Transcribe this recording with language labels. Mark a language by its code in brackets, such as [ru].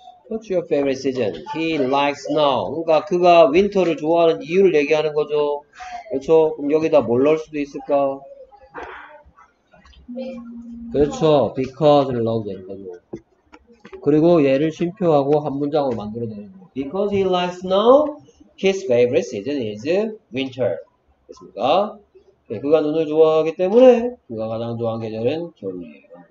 [en] What's your favorite season? He likes snow. [ko] 그러니까 그가 winter를 좋아하는 이유를 얘기하는 거죠. 그렇죠? 그럼 여기다 뭘 넣을 수도 있을까? 그렇죠. Because를 넣어도 되는 거죠. 그리고 얘를 쉼표하고 한 문장으로 만들어내는 거예요. [en] Because he likes snow, his favorite season is winter. [ko] 됐습니까? 네, 그가 눈을 좋아하기 때문에 그가 가장 좋아하는 계절은 겨울이에요.